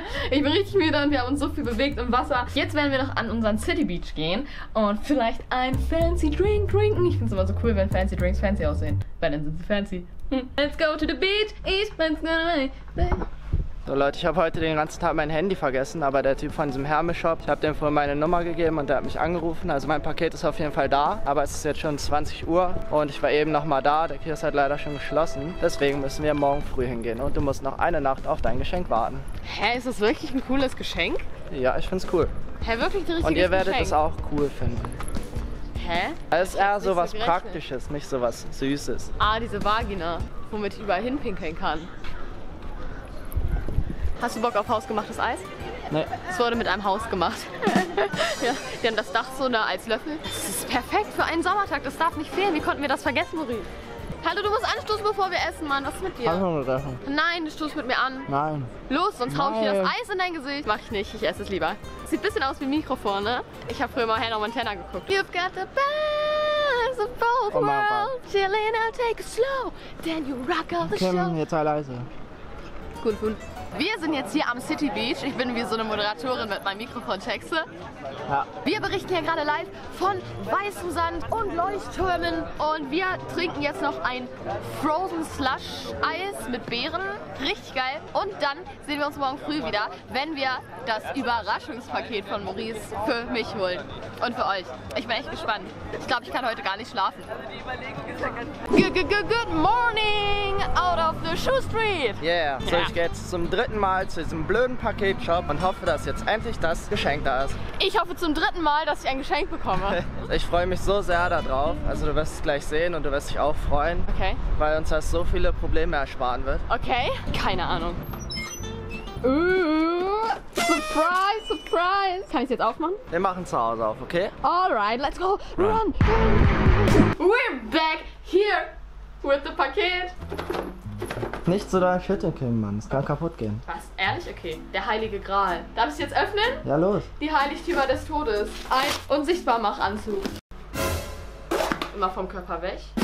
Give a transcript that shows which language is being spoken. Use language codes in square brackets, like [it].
[de] Ich bin richtig müde und wir haben uns so viel bewegt im Wasser. Jetzt werden wir noch an unseren City Beach gehen und vielleicht ein fancy Drink trinken. Ich finde es immer so cool, wenn fancy Drinks fancy aussehen. Weil dann sind sie fancy. [en] Let's go to the beach, eat, let's go away. [de] So Leute, ich habe heute den ganzen Tag mein Handy vergessen, aber der Typ von diesem Hermes-Shop, ich habe dem vorhin meine Nummer gegeben und der hat mich angerufen. Also mein Paket ist auf jeden Fall da, aber es ist jetzt schon 20 Uhr und ich war eben nochmal da. Der Kiosk hat leider schon geschlossen, deswegen müssen wir morgen früh hingehen und du musst noch eine Nacht auf dein Geschenk warten. Hä, ist das wirklich ein cooles Geschenk? Ja, ich find's cool. Hä, wirklich ein richtiges Und ihr werdet es auch cool finden. Hä? Es ist eher so was Praktisches, nicht so was Süßes. Ah, diese Vagina, womit ich überall hinpinkeln kann. Hast du Bock auf hausgemachtes Eis? Nee. Es wurde mit einem Haus gemacht. Ja, die haben das Dach so da als Löffel. Das ist perfekt für einen Sommertag, das darf nicht fehlen. Wie konnten wir das vergessen, Marie? Hallo, du musst anstoßen, bevor wir essen, Mann. Was ist mit dir? Hast du noch gedacht? Nein, du stoßt mit mir an. Nein. Los, sonst hau ich dir das Eis in dein Gesicht. Mach ich nicht, ich esse es lieber. Sieht ein bisschen aus wie ein Mikrofon, ne? Ich habe früher mal Hannah Montana geguckt. [en] You've got the best of both worlds. Chillin' out, take it slow. Then you rock all the Kim, show. [de] Kim, jetzt sei leise. Gut. Wir sind jetzt hier am City Beach. Ich bin wie so eine Moderatorin mit meinem Mikrofon texte. Ja. Wir berichten hier gerade live von weißem Sand und Leuchttürmen. Und wir trinken jetzt noch ein Frozen Slush Eis mit Beeren. Richtig geil. Und dann sehen wir uns morgen früh wieder, wenn wir das Überraschungspaket von Maurice für mich holen. Und für euch. Ich bin echt gespannt. Ich glaube, ich kann heute gar nicht schlafen. [en] Good morning out of the Shoe Street. Yeah. [de] So, ich gehe jetzt zum dritten Mal zu diesem blöden Paketshop und hoffe, dass jetzt endlich das Geschenk da ist. Ich hoffe zum dritten Mal, dass ich ein Geschenk bekomme. Ich freue mich so sehr darauf. Also du wirst es gleich sehen und du wirst dich auch freuen. Okay. Weil uns das so viele Probleme ersparen wird. Okay. Keine Ahnung. [en] Surprise, surprise. [de] Kann ich es jetzt aufmachen? Wir machen zu Hause auf, okay? [en] Alright, let's go. Run. We're back here with the Paket. [de] Nicht so doll schütteln, Kim, Mann. Es kann kaputt gehen. Was? Ehrlich? Okay. Der heilige Gral. Darf ich es jetzt öffnen? Ja, los. Die Heiligtümer des Todes. Ein Unsichtbarmachanzug. Immer vom Körper weg.